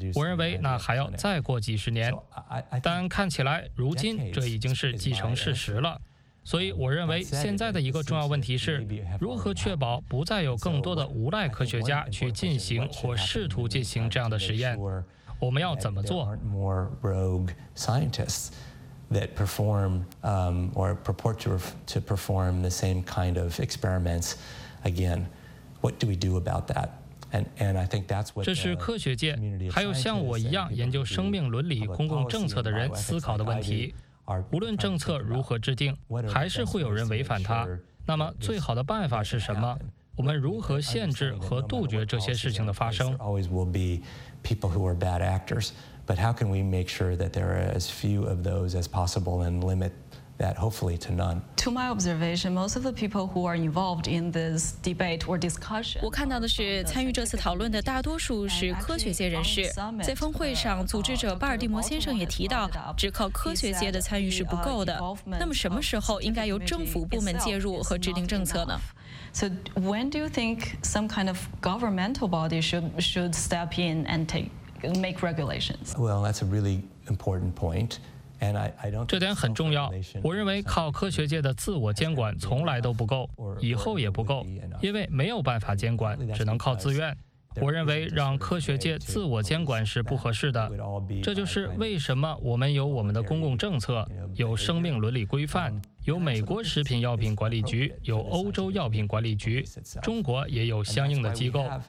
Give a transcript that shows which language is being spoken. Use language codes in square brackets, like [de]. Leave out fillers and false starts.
[zh] 我认为那还要再过几十年，但看起来如今这已经是既成事实了。所以我认为现在的一个重要问题是，如何确保不再有更多的无赖科学家去进行或试图进行这样的实验？我们要怎么做？ [en] There aren't more rogue scientists that perform or purport to perform the same kind of experiments again. What do we do about that? And I think that's what [zh] 这是科学界，还有像我一样研究生命伦理、公共政策的人思考的问题。无论政策如何制定，还是会有人违反它。那么最好的办法是什么？我们如何限制和杜绝这些事情的发生？ [en] There always will be people who are bad actors, but how can we make sure that there are as few of those as possible and limit that hopefully to none? To my observation, most of the people who are involved in this debate or discussion, [zh] 我看到的是参与这次讨论的大多数是科学界人士。在峰会上，组织者巴尔的摩先生也提到，只靠科学界的参与是不够的。那么什么时候应该由政府部门介入和制定政策呢？ [en] So when do you think some kind of governmental body should step in and make regulations? Well, that's a really important point. [zh] 这点很重要。我认为靠科学界的自我监管从来都不够，以后也不够，因为没有办法监管，只能靠自愿。我认为让科学界自我监管是不合适的。这就是为什么我们有我们的公共政策，有生命伦理规范，有美国食品药品管理局，有欧洲药品管理局，中国也有相应的机构。